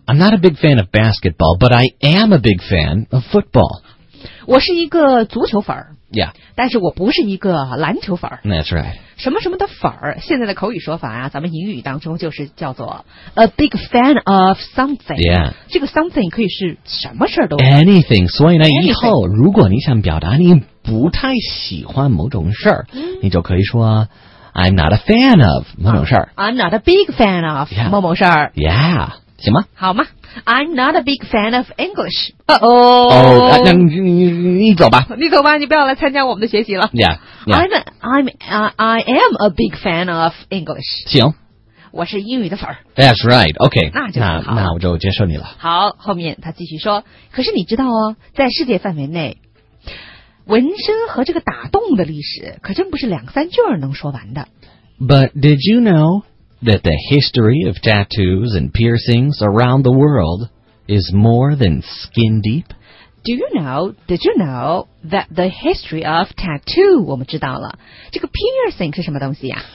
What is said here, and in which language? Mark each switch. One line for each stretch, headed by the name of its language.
English: I'm not a big fan of basketball, but I am a big fan of football.
Chinese: 我是一个足球粉儿。
English: Yeah.
Chinese: 但是我不是一个篮球粉儿。
English: That's right.
Chinese: 什么什么的粉儿，现在的口语说法啊，咱们英语当中就是叫做
English: a big fan of something. Yeah.
Chinese: 这个 something 可以是什么事儿都。
English: Anything.
Chinese: 所以呢，以后如果你想表达你不太喜欢某种事儿，你就可以说。
English: I'm not a fan of
Chinese: 某某事儿。
English: I'm not a big fan of
Chinese: 某某事儿。
English: Yeah,
Chinese: 行吗？好吗
English: ？I'm not a big fan of English.
Chinese: 你走吧。你走吧，你不要来参加我们的学习了。
English: Yeah, I am a big fan of English.
Chinese: 行。我是英语的粉儿。
English: That's right. Okay.
Chinese: 那就好。那我就接受你了。好，后面他继续说，可是你知道哦，在世界范围内。纹身和这个打洞的历史可真不是两三句能说完的。
English: But did you know that the history of tattoos and piercings around the world is more than skin deep? Did you know that the history of tattoo,
Chinese: 我们知道了。这个 piercing 是什么东西啊?